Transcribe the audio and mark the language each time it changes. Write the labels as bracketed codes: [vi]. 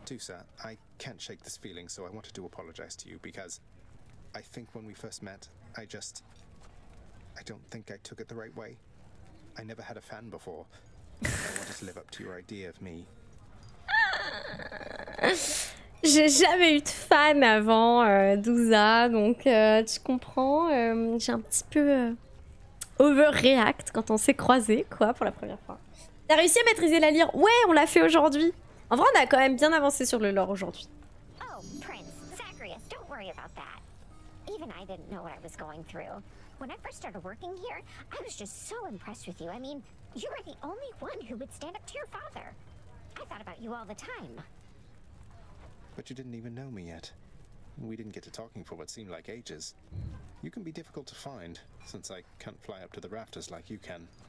[en] Tusa, I can't shake this feeling, so I wanted to apologize to you, because I think when we first met, I just... I don't think I took it the right way. I never had a fan before. I wanted to live up to your idea of me. [fr] J'ai jamais eu de fan avant Douza, donc tu comprends, j'ai un petit peu overreact quand on s'est croisé, quoi, pour la première fois. T'as réussi à maîtriser la lyre? Ouais, on l'a fait aujourd'hui. En vrai, on a quand même bien avancé sur le lore aujourd'hui. [en] Oh, Prince, Zacharias, don't worry about that. Even I didn't know what I was going through. When I first started working here, I was just so impressed with you. I mean, you were the only one who would stand up to your father. I thought about you all the time. But you didn't even know me yet. We didn't get to talking for what seemed like ages. You can be difficult to find, since I can't fly up to the rafters like you can.